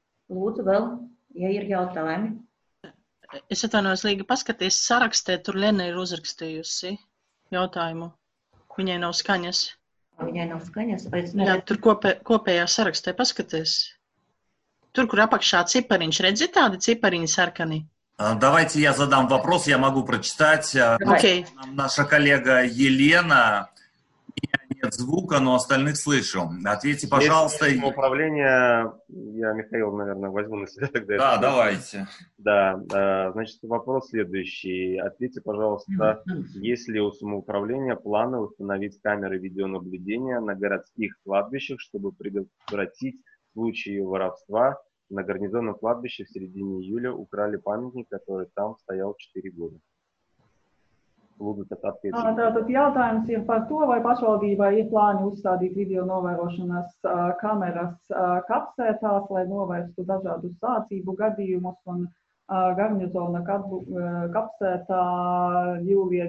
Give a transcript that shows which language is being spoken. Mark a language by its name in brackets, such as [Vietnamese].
[Latvian] Lūdzu vēl, ja ir jautājumi. Es atvainojos, Līga, paskaties sarakstē, tur Lena ir uzrakstījusi jautājumu. Viņai nav skaņas. Viņai nav skaņas? Jā, tur kopējā sarakstē paskaties. Tur, kur apakšā cipariņš, redzi tādi cipariņi sarkani? [Russian] Давайте я задам вопрос, я могу прочитать. [English] Okay. [Russian] Наша коллега Елена, меня нет звука, но остальных слышу. Ответьте, пожалуйста. Если управление, я Михаил, наверное, возьму на себя тогда. Да, давайте. Да, значит, вопрос следующий. Ответьте, пожалуйста, есть ли у самоуправления планы установить камеры видеонаблюдения на городских кладбищах, чтобы предотвратить случаи воровства? На гарнизонном кладбище в середине июля украли памятник, который там стоял 4 года. [Latvian] Lūdzu, tad atpiecīt. Tātad jautājums ir par to, vai pašvaldībai ir plāni uzstādīt video novērošanas kameras kapsētās, lai novērstu dažādus sācību gadījumus un garnizona kapsētā jūlija